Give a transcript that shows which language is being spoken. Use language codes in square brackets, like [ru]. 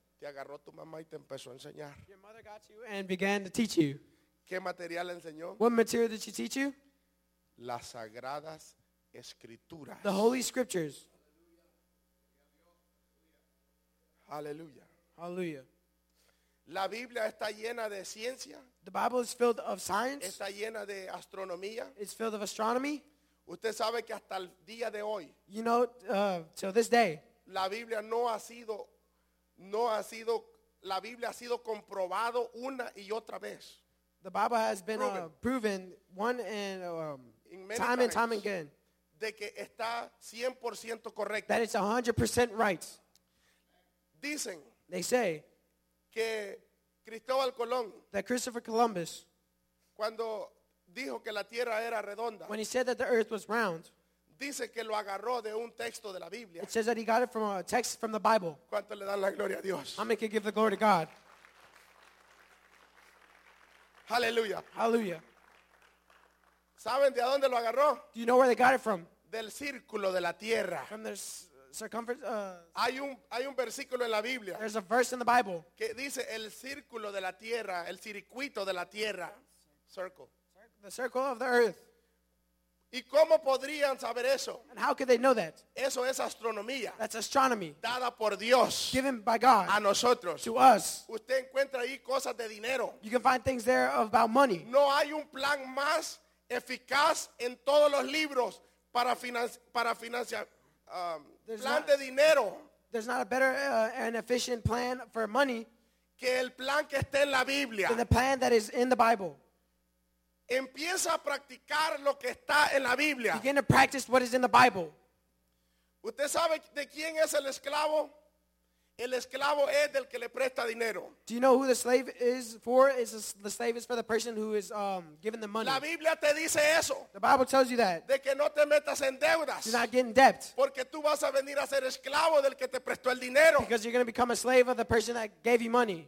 [es] Te agarró tu mamá y te empezó a enseñar. [en] Your mother got you and began to teach you. [es] ¿Qué material enseñó? [en] What material did she teach you? [es] Las sagradas escrituras. [en] The Holy Scriptures. [es] Hallelujah. [en] Hallelujah. [es] La Biblia está llena de ciencia. [en] The Bible is filled of science. [es] Está llena de astronomía. [en] It's filled of astronomy. [es] Usted sabe que hasta el día de hoy. [en] You know, till this day. [es] La Biblia no ha sido, la Biblia ha sido comprobado una y otra vez. [en] The Bible has been proven one and time and time again. [es] De que está 100% correcto. [en] That it's 100% right. [es] Dicen. [en] They say. [es] Que Cristóbal Colón. [en] That Christopher Columbus. [es] Cuando dijo que la tierra era redonda. [en] When he said that the earth was round. [es] Dice que lo agarró de un texto de la Biblia. [en] It says that he got it from a text from the Bible. [es] ¿Cuánto le dan la gloria a Dios? [en] How many can give the glory to God? [es] Hallelujah. [en] Hallelujah. [es] ¿Saben de dónde lo agarró? [en] Do you know where they got it from? [es] Del círculo de la tierra. [en] From the circumference. [es] Hay un versículo en la Biblia. [en] There's a verse in the Bible. [es] Que dice el círculo de la tierra, el circuito de la tierra. [en] Circle. The circle of the earth. [es] ¿Y cómo podrían saber eso? [en] And how could they know that? [es] Eso es astronomía. [en] That's astronomy. [es] Dada por Dios. [en] Given by God. [es] A nosotros. [en] To us. [es] Usted encuentra ahí cosas de dinero. [en] You can find things there about money. [es] No hay un plan más eficaz en todos los libros plan de dinero. [en] There's not a better and efficient plan for money [es] que el plan que esté en la Biblia. [en] Than the plan that is in the Bible. [es] Empieza a practicar lo que está en la Biblia. [en] Begin to practice what is in the Bible. [es] ¿Usted sabe de quién es el esclavo? El esclavo es del que le presta dinero. [en] Do you know who the slave is for? The slave is for the person who is given the money. [es] La Biblia te dice eso. [en] The Bible tells you that. [es] De que no te metas en deudas. [en] Do not get in debt. [es] Porque tú vas a venir a ser esclavo del que te prestó el dinero. [en] Because you're going to become a slave of the person that gave you money.